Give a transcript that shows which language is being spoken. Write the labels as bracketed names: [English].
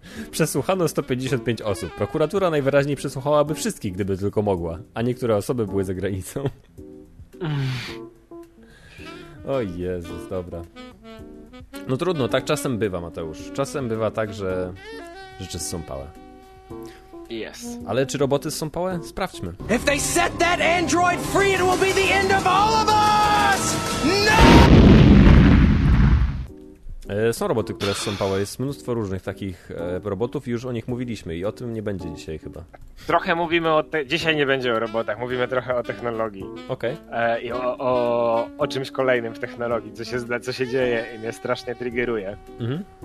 [Polish] Przesłuchano 155 osób. Prokuratura najwyraźniej przesłuchałaby wszystkich, gdyby tylko mogła, a niektóre osoby były za granicą. O Jezus, dobra. No trudno, tak czasem bywa, Mateusz. Czasem bywa tak, że rzeczy zsąpały. Jest. Ale czy roboty są pałe? Sprawdźmy. [English] If they set that android free, it will be the end of all of us! No! [Polish] Są roboty, które są power. Jest mnóstwo różnych takich robotów i już o nich mówiliśmy i o tym nie będzie dzisiaj chyba. Trochę mówimy o... Dzisiaj nie będzie o robotach, mówimy trochę o technologii. Okej. Okay. I o czymś kolejnym w technologii, co się dzieje i mnie strasznie triggeruje. Mhm.